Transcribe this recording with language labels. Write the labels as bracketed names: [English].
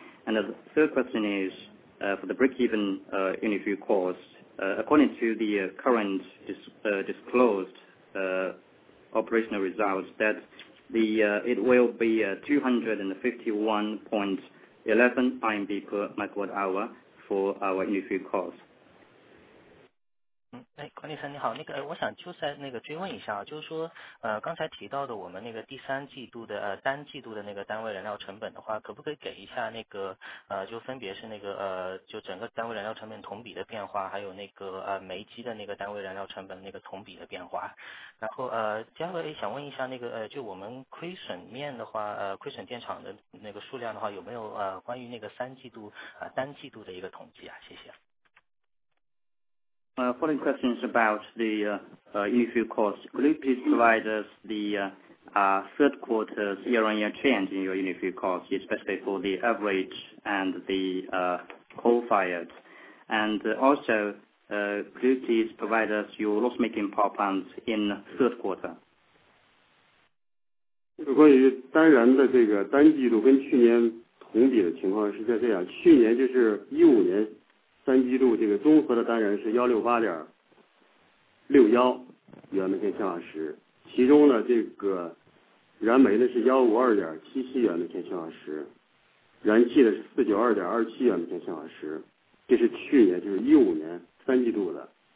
[English] And the third question is, for the break-even unit fuel cost, according to the current disclosed operational results, that the it will be 251.11 RMB per megawatt hour for our unit fuel cost. [Chinese] 哎，管理层你好，那个我想就在那个追问一下，就是说刚才提到的我们那个第三季度的单季度的那个单位燃料成本的话，可不可以给一下那个就分别是那个就整个单位燃料成本同比的变化，还有那个煤机的那个单位燃料成本那个同比的变化。然后第二个想问一下那个就我们亏损面的话，亏损电厂的那个数量的话，有没有关于那个三季度单季度的一个统计啊？谢谢。 [English] Following question is about the unit fuel cost. Could you please provide us the third quarter's year-on-year change in your unit fuel cost, especially for the average and the coal-fired? And also, could you please provide us your loss-making power plants in third quarter? [Chinese] 关于单燃的这个单季度跟去年同比的情况是在这样，去年就是15年三季度这个综合的单燃是168.61元每千千瓦时，其中呢这个燃煤的是152.77元每千千瓦时，燃气的是492.27元每千千瓦时，这是去年就是15年三季度的。